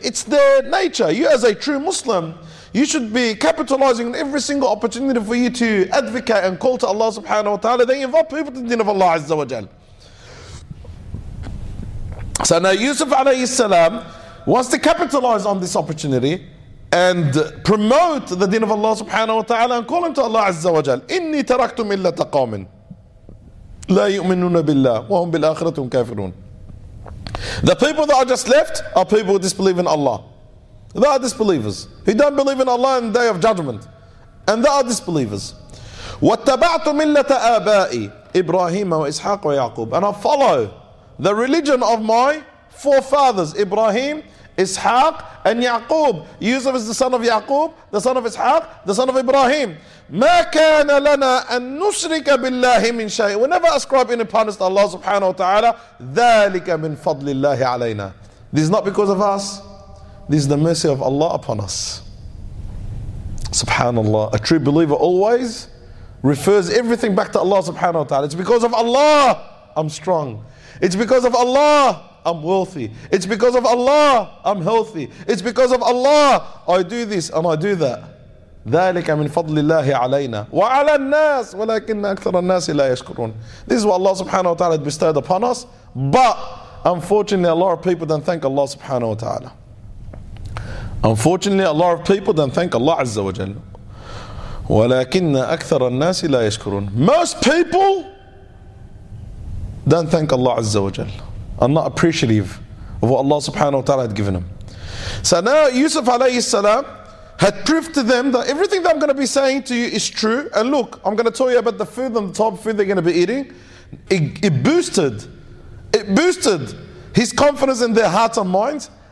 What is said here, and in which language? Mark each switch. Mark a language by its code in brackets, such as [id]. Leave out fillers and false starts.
[en] It's their nature. You as a true Muslim, you should be capitalizing on every single opportunity for you to advocate and call to Allah subhanahu wa ta'ala. They invite people to the deen of Allah azza wa jal. So now Yusuf alayhi salam wants to capitalize on this opportunity. and promote the deen of Allah subhanahu wa ta'ala and call him to Allah azza wa jal. [ar] Inni taraktum illa taqawmin. لا يؤمنون بالله وهم بالآخرة كافرون. [en] The people that are just left are people who disbelieve in Allah. They are disbelievers. He don't believe in Allah in the day of judgment. And they are disbelievers. [ar] واتبعت ملة آبائي إبراهيم وإسحاق ويعقوب. [en] And I follow the religion of my forefathers, Ibrahim, Ishaq, and Yaqub. Yusuf is the son of Yaqub, the son of Ishaq, the son of Ibrahim. [ar] ما كان لنا أن نشرك بالله من شيء. [en] We never ascribe any punishment to Allah subhanahu wa ta'ala. [ar] ذلك من فضل الله علينا. [en] This is not because of us. This is the mercy of Allah upon us. Subhanallah. A true believer always refers everything back to Allah subhanahu wa ta'ala. It's because of Allah I'm strong. It's because of Allah I'm wealthy. It's because of Allah I'm healthy. It's because of Allah I do this and I do that. [ar] ذلك من فضل الله علينا وعلى الناس ولكن أكثر الناس لا يشكرون. [en] This is what Allah subhanahu wa ta'ala bestowed upon us, but unfortunately a lot of people don't thank Allah subhanahu wa ta'ala. Unfortunately a lot of people don't thank Allah azza wa jalla. [ar] ولكن أكثر الناس لا يشكرون. [en] Most people don't thank Allah azza wa jalla and not appreciative of what Allah subhanahu wa ta'ala had given him. So now Yusuf alayhi salam had proved to them that everything that I'm going to be saying to you is true. And look, I'm going to tell you about the food and the type of food they're going to be eating. It boosted his confidence in their hearts and minds.